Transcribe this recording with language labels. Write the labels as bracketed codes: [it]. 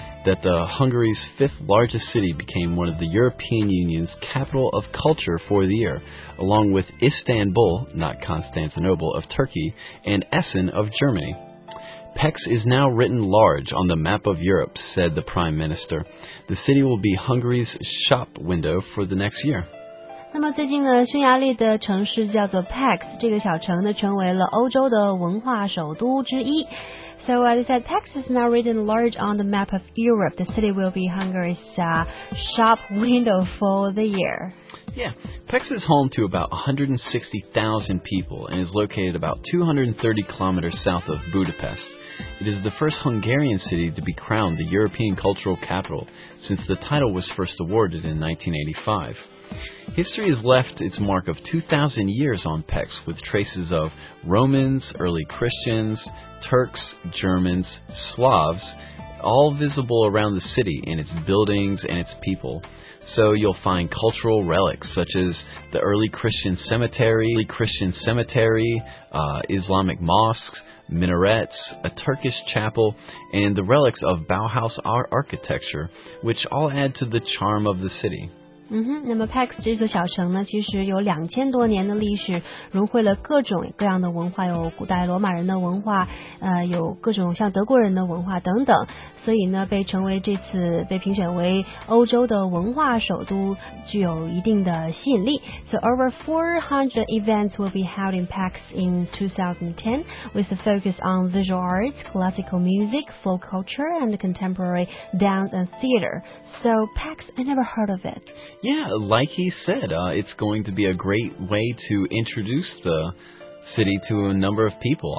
[en] That the Hungary's fifth largest city became one of the European Union's capital of culture for the year, along with Istanbul, not Constantinople, of Turkey, and Essen of Germany. PEX is now written large on the map of Europe, said the Prime Minister. The city will be Hungary's shop window for the next year. [zh] 那么最近呢，匈牙利的城市叫做 PEX， 这个小城呢成为了欧洲的文化首都之一。 [en] So they said PEX is now written large on the map of Europe. The city will be Hungary's shop window for the year. Yeah, PEX is home to about 160,000 people and is located about 230 kilometers south of Budapest. It is the first Hungarian city to be crowned the European Cultural Capital since the title was first awarded in 1985. History has left its mark of 2,000 years on PEX with traces of Romans, early Christians, Turks, Germans, Slavs, all visible around the city in its buildings and its people. So you'll find cultural relics such as the early Christian cemetery, Islamic mosques, minarets, a Turkish chapel, and the relics of Bauhaus art architecture, which all add to the charm of the city. [zh] 那么 PEX 这座小城呢，其实有2000多年的历史，融汇了各种各样的文化，有古代罗马人的文化，有各种像德国人的文化等等，所以呢，被评选为欧洲的文化首都，具有一定的吸引力。 [en] So over 400 events will be held in PEX in 2010, with a focus on visual arts, classical music, folk culture, and contemporary dance and theater. So PEX, I never heard of it. Yeah, like he said, it's going to be a great way to introduce the city to a number of people.